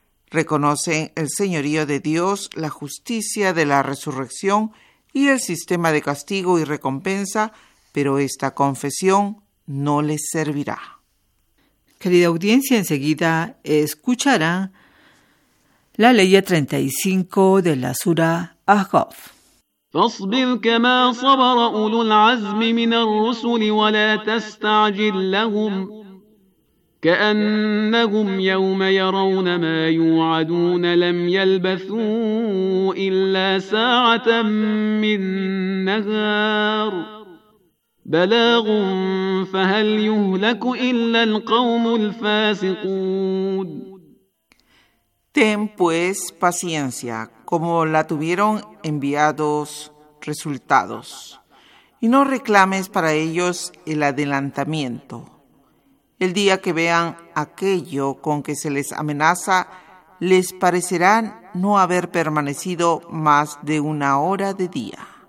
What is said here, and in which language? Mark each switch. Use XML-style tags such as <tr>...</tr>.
<es>Reconocen el señorío de Dios, la justicia de la resurrección y el sistema de castigo y recompensa, pero esta confesión no les servirá. Querida audiencia, enseguida escuchará la ley 35 de la sura Ahqaf.</es> <ar>فاصبر كما صبر أولو العزم من الرسل ولا تستعجل لهم كأنهم يوم يرون ما يوعدون لم يلبثوا إلا ساعة من نهار بلاغ فهل يهلك إلا القوم الفاسقون.</ar> <es>Ten pues paciencia, como la tuvieron enviados resultados, y no reclames para ellos el adelantamiento. El día que vean aquello con que se les amenaza, les parecerá no haber permanecido más de una hora de día.</es>